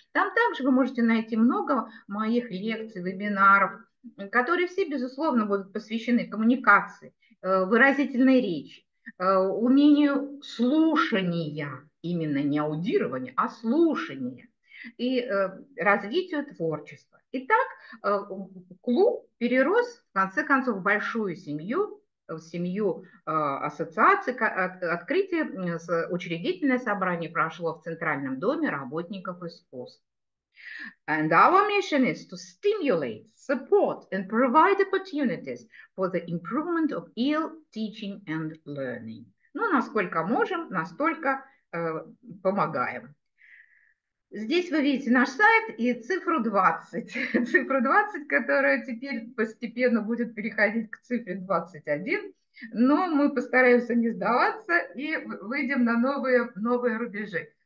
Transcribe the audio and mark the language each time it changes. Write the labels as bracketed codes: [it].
[ru] Там также вы можете найти много моих лекций, вебинаров, которые все, безусловно, будут посвящены коммуникации, выразительной речи, умению слушания, именно не аудирования, а слушания и развитию творчества. Итак, клуб перерос в конце концов в большую семью, в семью ассоциации. Открытие, учредительное собрание прошло в Центральном доме работников искусств. [en] And our mission is to stimulate, support, and provide opportunities for the improvement of EL teaching and learning. [ru] Ну, насколько можем, настолько помогаем. Здесь вы видите наш сайт и цифру 20. Цифру 20, которая теперь постепенно будет переходить к цифре 21. Но мы постараемся не сдаваться и выйдем на новые рубежи.